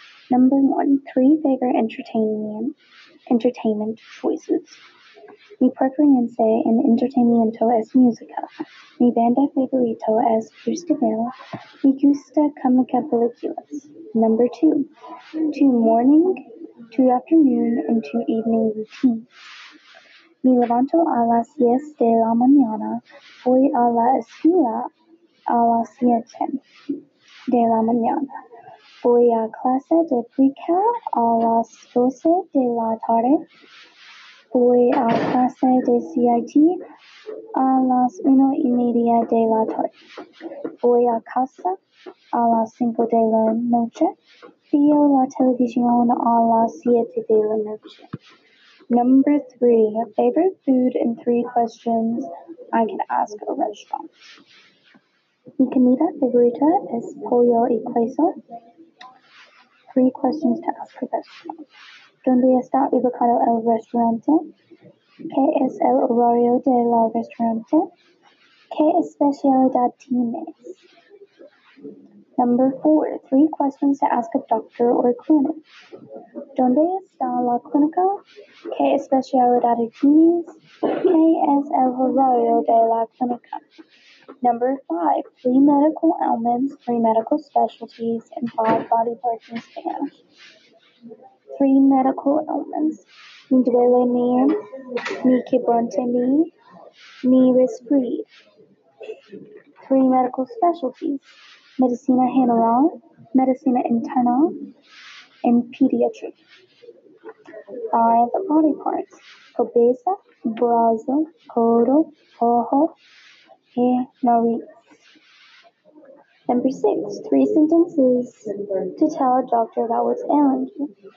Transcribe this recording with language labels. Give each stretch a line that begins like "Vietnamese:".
English: Number one, three favorite entertainment choices.
Spanish: Mi preferencia en entretenimiento es música. Mi banda favorita es Cruz de Mil. Mi gusta cómica películas.
English: Number two, morning, two afternoon, and two evening routines.
Spanish: Me levanto a las 10 de la mañana, voy a la escuela a las 7 de la mañana. Voy a clase de pre-K a las 12 de la tarde. Voy a clase de CIT a las 1 y media de la tarde. Voy a casa a las 5 de la noche. Veo la televisión a las 7 de la noche.
English: Number three, favorite food and three questions I can ask a restaurant.
Spanish: Mi comida favorita es pollo y queso.
English: Three questions to ask a restaurant.
Spanish: ¿Dónde está ubicado el restaurante? ¿Qué es el horario del restaurante? ¿Qué especialidad tienes?
English: Number four, three questions to ask a doctor or clinic.
Spanish: ¿Dónde está la clínica? ¿Qué especialidad tienes? ¿Qué es el horario de la clínica?
English: Number five, three medical ailments, three medical specialties, and five body parts in Spanish. Three medical ailments.
Spanish: Mi duele mi, mi quebrante mi, mi respiro.
English: Three medical specialties.
Spanish: Medicina general, medicina interna,
English: and pediatric. Five body parts.
Spanish: Cabeza, brazo, codo, ojo, y nariz.
English: Number six, three sentences to tell a doctor about what's ailing you.